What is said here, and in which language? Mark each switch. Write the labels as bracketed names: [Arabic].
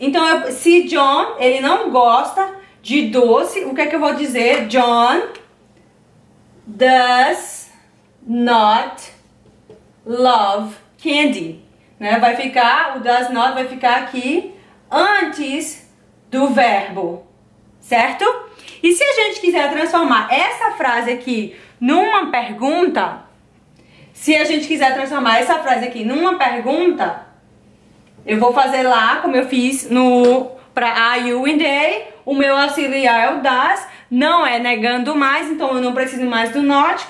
[Portuguese] Então, se John, ele não gosta de doce, o que é que eu vou dizer? [English] John does not love candy. [Portuguese] Né? Vai ficar, o does not vai ficar aqui antes do verbo, certo? E se a gente quiser transformar essa frase aqui numa pergunta, se a gente quiser transformar essa frase aqui numa pergunta, eu vou fazer lá, como eu fiz no para are you and they, o meu auxiliar é o does, não é negando mais, então eu não preciso mais do not.